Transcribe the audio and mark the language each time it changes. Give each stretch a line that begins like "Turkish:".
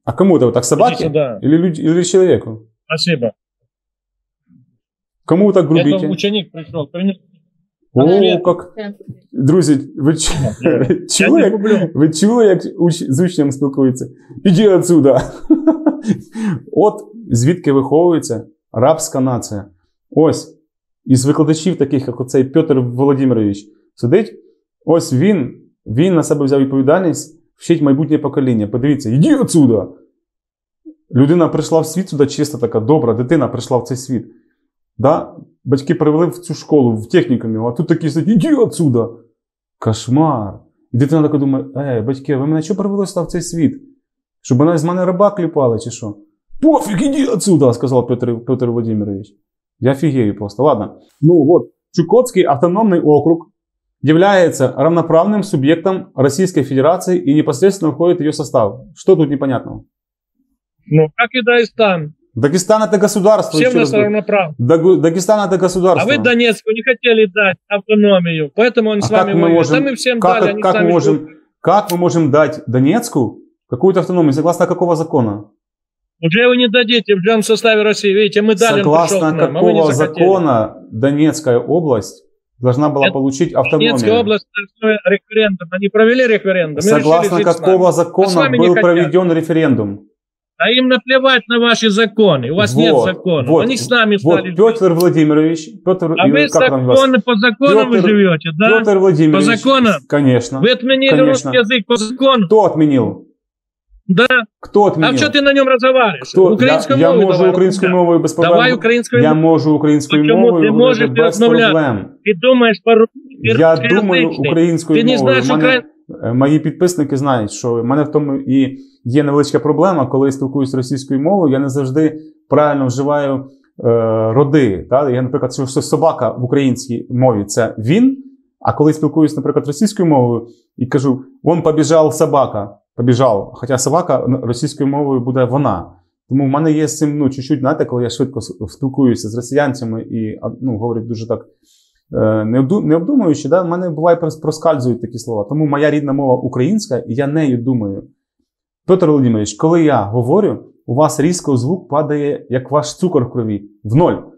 Russian: А кому это? Так собаке? Или человеку? Спасибо. Кому вы так грубите? Это ученик пришел. Принес... О, привет. Как... Друзья, вы человек? Вы человек с
Ukrainian: учнем спілкуете?
Russian: Иди отсюда.
Ukrainian: От звідки виховується рабська нація. Ось, із викладачів таких, як оцей Петр Володимирович, сидить, ось він... Він на себе взяв відповідальність вчить майбутнє покоління. Подивіться, іди
Russian: отсюда!
Ukrainian: Людина прийшла в світ сюди, чиста така, добра, дитина прийшла в цей світ. Да? Батьки привели в цю школу, в технікумі, а тут такий сидить, іди
Russian: отсюда!
Ukrainian: Кошмар! І дитина така думає, батьки, ви мене що привели сюди в цей світ? Щоб вона з мене раба кліпала чи що? Пофіг, іди
Russian: отсюда,
Ukrainian: сказав Петр Володимирович. Я фігею просто, ладно.
Russian: Ну от, Чукотський автономний округ является равноправным субъектом Российской Федерации и непосредственно входит в ее состав. Что тут непонятного? Ну, как и Дагестан. Дагестан это государство. Всем нас равноправно. Дагестан это государство. А вы Донецку не хотели дать автономию, поэтому он с вами может. Сами всем как, дали, как сами мы можем, как мы можем дать Донецку какую-то автономию? Согласно какого закона? Уже вы не дадите, уже он в составе России. Видите, мы дали. Согласно какого закона Донецкая область должна была получить автономию. Донецкая область на референдум. Они провели референдум. Согласно какого закона был проведен референдум? А им наплевать на ваши законы. У вас нет закона. Вот, они с нами стали. Вот, Петр Владимирович. Петр, а вы законы, по законам Петр, вы живете, да? Петр Владимирович. По законам? Конечно. Вы отменили конечно. Русский язык по закону? Кто отменил? Да. Кто отменил? А что ты на нем разговариваешь?
Ukrainian: Украинскую я мову можу украинскую мову без проблем.
Russian: Давай украинскую
Ukrainian: мову. Я можу украинскую мову без проблем.
Russian: Ты думаешь по-русски? Я думаю украинскую мову. Ты не знаешь украинскую? Мои подписчики знают, что у меня в том и есть небольшая проблема, когда я спілкуюсь с российской мовой, я не всегда правильно вживаю роды. Да? Я, например, скажу, что собака в украинской мове – это він. А когда я спілкуюсь, например, российской мовой и кажу, он побежал собака,
Ukrainian: побіжав. Хоча собака російською мовою буде вона. Тому в мене є з цим, ну, чуть-чуть, знаєте, коли я швидко спілкуюся з росіянцями і, ну, говорять дуже так, не обдумуючи, да, в мене буває проскальзують такі слова. Тому моя рідна мова українська, і я нею думаю. Петро Володимирович, коли я говорю, у вас різко звук падає, як ваш цукор в крові, в ноль.